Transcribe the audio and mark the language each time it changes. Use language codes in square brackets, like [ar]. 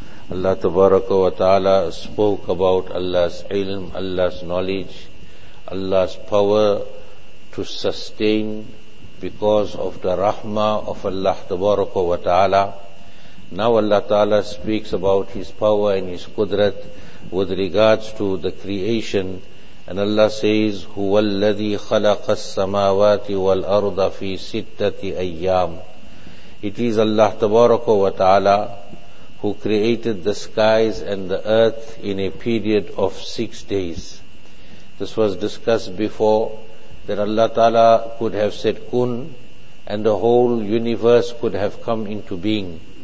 [en] Allah Tabaraka wa Ta'ala spoke about Allah's ilm, Allah's knowledge, Allah's power to sustain because of the rahmah of Allah Tabaraka wa Ta'ala. Now Allah Ta'ala speaks about His power and His qudrat with regards to the creation. And Allah says, [ar] هو الذي خلق السماوات والأرض في ستة أيام. [en] It is Allah Tabaraka wa Ta'ala who created the skies and the earth in a period of 6 days. This was discussed before, that Allah Ta'ala could have said kun and the whole universe could have come into being.